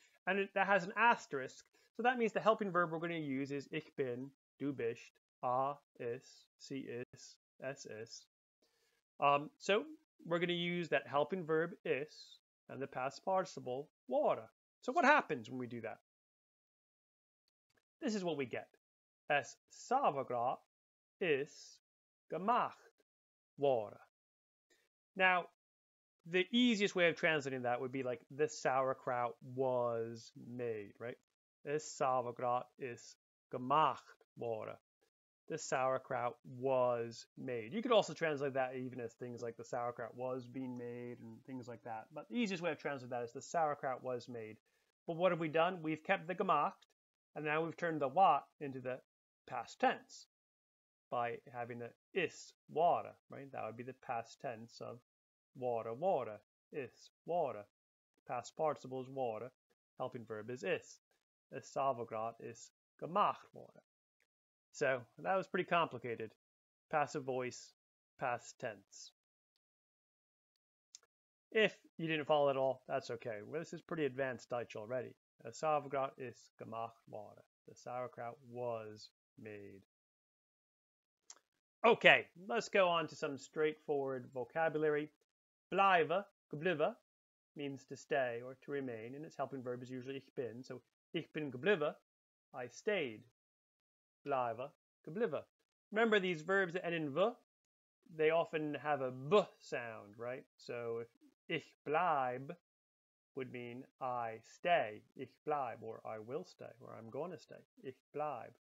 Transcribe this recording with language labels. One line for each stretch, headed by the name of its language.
English: And that has an asterisk. So that means the helping verb we're going to use is
German: ich bin, du bist, a is, sie is, es ist.
English: So we're going to use that helping verb is and the past participle water. So what happens when we do that? This is what we get.
German: Es Sauerkraut ist gemacht worden.
English: Now, the easiest way of translating that would be like the sauerkraut was made, right?
German: Es Sauerkraut ist gemacht worden.
English: The sauerkraut was made. You could also translate that even as things like the sauerkraut was being made and things like that. But the easiest way of translating that is the sauerkraut was made. But what have we done? We've kept the gemacht, and now we've turned the wat into the past tense by having the is water, right? That would be the past tense of water, water, is water. Past participle is water. Helping verb is is.
German: Es Sauerkraut ist gemacht worden.
English: So that was pretty complicated. Passive voice, past tense. If you didn't follow at all, that's okay. Well, this is pretty advanced Deutsch already.
German: Es Sauerkraut ist gemacht worden.
English: The sauerkraut was made. Okay, let's go on to some straightforward vocabulary. Bleibe, geblieben, means to stay or to remain, and its helping verb is usually ich bin. So
German: ich bin geblieben,
English: I stayed.
German: Bleibe, geblieben.
English: Remember these verbs that end in v, they often have a b sound, right? So if
German: ich bleib
English: would mean I stay, ich bleib, or I will stay, or I'm going to stay, ich bleib.